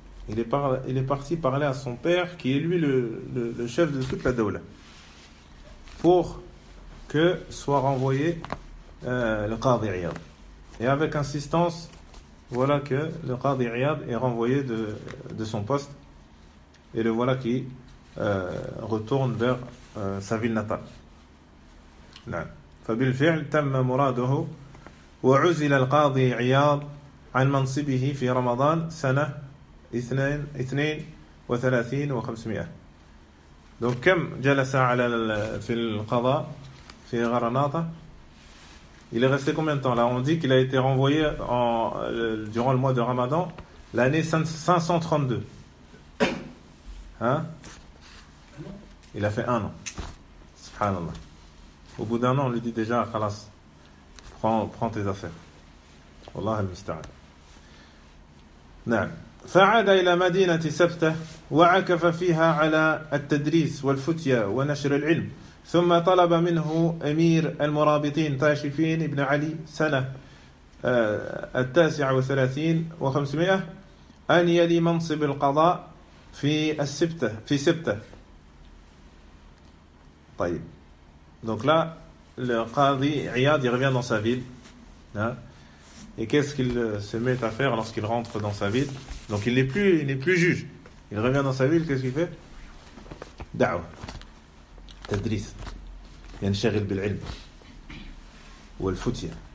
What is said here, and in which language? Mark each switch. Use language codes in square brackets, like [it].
[fr] Il est parti parler à son père, qui est lui le chef de toute la Daoula, pour que soit renvoyé le Qadi Iyad. Et avec insistance, voilà que le Qadi Iyad est renvoyé de son poste. Et le voilà qui retourne vers sa ville natale. Non. [ar] فبالفعل تم مراده وعزل القاضي عياض عن منصبه في رمضان سنة 32 و500. [fr] Donc [ar] كم جلس على في القضاء في غرناطة؟ [fr] Il est resté combien de temps? Là, on dit qu'il a été renvoyé durant le mois de Ramadan, l'année 532. Hein? Il a fait un an. Subhanallah. Au bout d'un an, on lui dit déjà, khalas, prends tes affaires. [ar] Wallah al-musta'an. Na'am. فعاد إلى مدينة سبتة وعكف فيها على التدريس والفتية ونشر العلم. ثم طلب منه أمير المرابطين تاشفين ابن علي سنة 39 و500 أن يلي منصب القضاء في سبتة. طيب. [fr] Donc là, le Qadi Iyad, il revient dans sa ville. Hein? Et qu'est-ce qu'il se met à faire lorsqu'il rentre dans sa ville? Donc il n'est plus juge. Il revient dans sa ville, qu'est-ce qu'il fait? [ar] Da'wa. Tadris. Yanshagil bil ilm. Ou al futya.